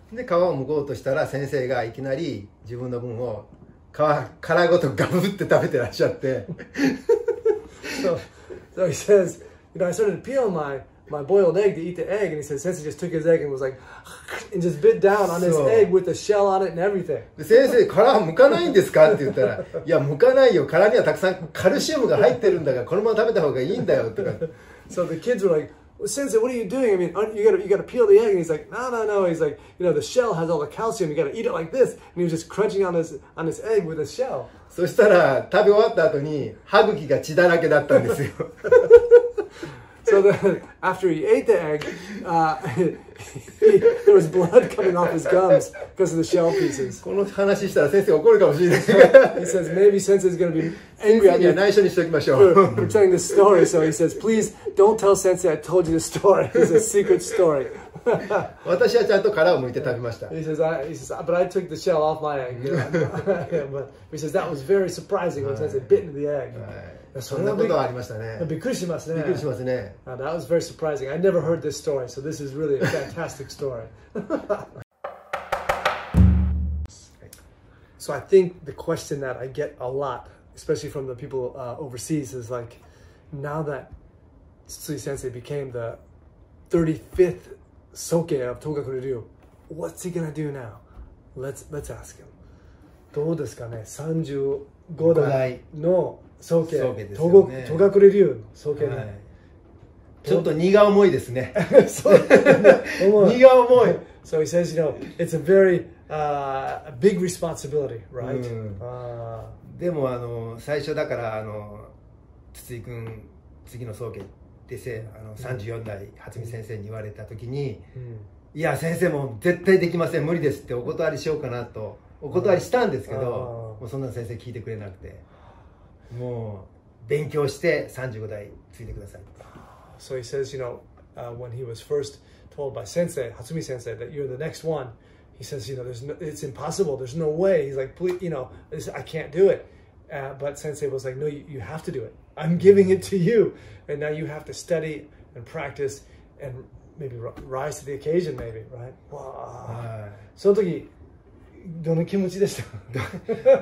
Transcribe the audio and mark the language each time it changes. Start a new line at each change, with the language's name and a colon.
Japanese: で皮を剥こうとしたら先生がいきなり自分の分を皮殻ごとガブって食べてらっしゃって。
English: So So he says, you know, I started to peel my boiled egg to eat the egg, and he says Sensei just took his egg and was like, and just bit down on his egg with the shell on it and everything.
Japanese: Sensei, 殻は剥かないんですかって言ったら、いや、剥かないよ。殻にはたくさんカルシウムが入ってるんだから、このまま食べた方がいいんだよとか。
English: So the kids were like,Sensei, what are you doing? I mean, you gotta peel the egg. And he's like, no. He's like, you know, the shell has all the calcium. You gotta eat it like this. And he was just crunching on his egg with a shell.
Japanese: そしたら食べ終わった後に歯茎が血だらけだったんですよ。
English: So then, after he ate the egg, there was blood coming off his gums because of the shell pieces.
Japanese: この話したら先生怒るかもしれない。
English: He says, maybe Sensei's going to be angry at you.
Japanese: 先生には内緒にしておきましょう。
English: We're telling this story, so he says, please don't tell Sensei I told you this story. It's a secret story.
Japanese: 私はちゃんと殻を剥いて食べました。
English: He says, but I took the shell off my egg. You know? He says, that was very surprising when Sensei bit into the egg.
Japanese: そんなことはありましたね。びっくりしますね。びっくりしますね。
English: That was very surprising. I never heard this story, so this is really a fantastic story. So I think the question that I get a lot, especially from the people overseas, is like, now that Tsutsui Sensei became the 35th Soke of Togakure Ryu, what's he gonna do now? Let's ask him.
Japanese: どうですかね ?35 代の総計ですよね。トガクレ流の総計、はい、ちょっと荷が重いですね。荷が重い。
English: So he says, you know, it's a very big responsibility, right?
Japanese: でも最初だから筒井君次の総計って34代初見先生に言われた時に、いや先生もう絶対できません無理ですってお断りしようかなとお断りしたんですけど、もうそんな先生聞いてくれなくて。もう勉強して35代ついてください。
English: So he says, you know, when he was first told by Sensei, Hatsumi Sensei, that you're the next one, he says, you know, it's impossible, there's no way. He's like, please, you know, I can't do it. But Sensei was like, no, you have to do it. I'm giving it to you. And now you have to study and practice and maybe rise to the occasion, maybe, right? Wow.
Japanese: その時どの気持ちでした？